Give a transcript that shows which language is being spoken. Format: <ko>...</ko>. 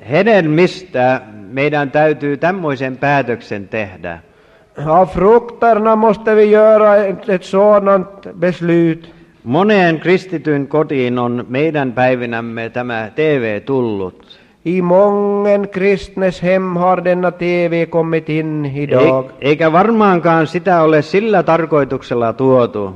<fi>Hedelmistä meidän täytyy tämmöisen päätöksen tehdä.</fi> <sv>Av frukterna måste vi göra ett sådant beslut.</sv> <fi>Moneen kristityn kotiin on meidän päivinämme tämä TV tullut.</fi> <sv>I mången kristnes hem har denna TV kommit in idag.</sv> <fi>Eikä varmaankaan sitä ole sillä tarkoituksella tuotu.</fi>